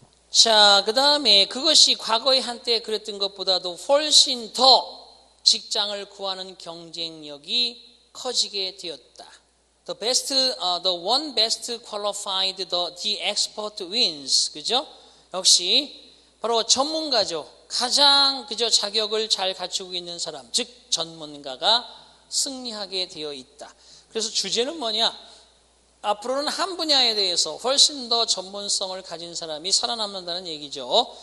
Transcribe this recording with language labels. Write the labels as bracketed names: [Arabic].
[Korean] 자, 그 다음에 그것이 과거의 한때 그랬던 것보다도 훨씬 더 직장을 구하는 경쟁력이 커지게 되었다. [English] The best, the one best qualified, the expert wins. [Korean] 그죠? 역시 바로 전문가죠. 가장 그저 자격을 잘 갖추고 있는 사람, 즉 전문가가 승리하게 되어 있다. 그래서 주제는 뭐냐? 앞으로는 한 분야에 대해서 훨씬 더 전문성을 가진 사람이 살아남는다는 얘기죠.